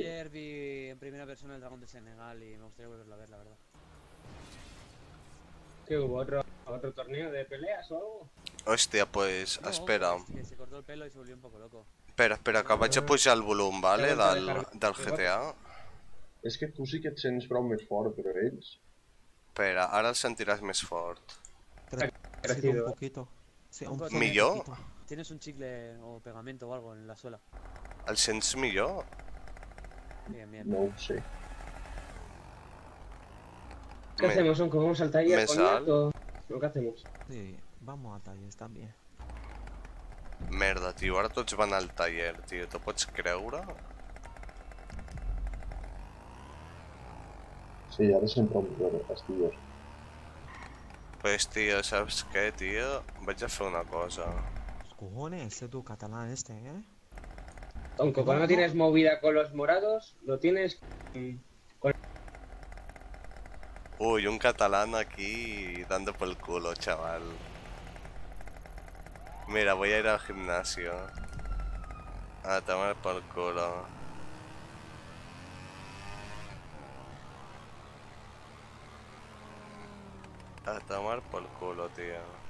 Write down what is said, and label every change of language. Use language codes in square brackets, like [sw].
[es] Ayer vi en primera persona el dragón de Senegal y me gustaría volverlo a ver, la verdad. ¿Qué, hubo otro torneo de peleas o algo? [ca] Hòstia, pues, no, espera. [es] Que se cortó el pelo y se volvió un poco loco. [ca] Espera, que vaig a pujar el volum, ¿vale? Del GTA. És que tu sí que et sents prou més fort, però ells... Espera, ara el sentiràs més fort. [es] Crecido un poquito. [ca] Sí, ¿millor? [es] ¿Tienes un chicle o pegamento o algo en la suela? [ca] ¿El sents millor? [es] Bien. [ca] No ho sé. [es] ¿Qué hacemos, Onco? ¿Vamos al taller con esto? ¿Lo que hacemos? Sí, vamos al taller también. Merda, tío, ahora todos van al taller, tío. ¿Te puedes creer? Sí, ahora siempre me duele, fastidios. Pues tío, ¿sabes qué, tío? [ca] Vaig a fer una cosa. [es] Cojones, tu català este, eh? Tonco, quan no tienes movida con los morados, lo tienes... Ui, un català aquí dando pel culo, chaval. Mira, voy a ir al gimnasio. A tomar pel culo. A tomar por culo, tío.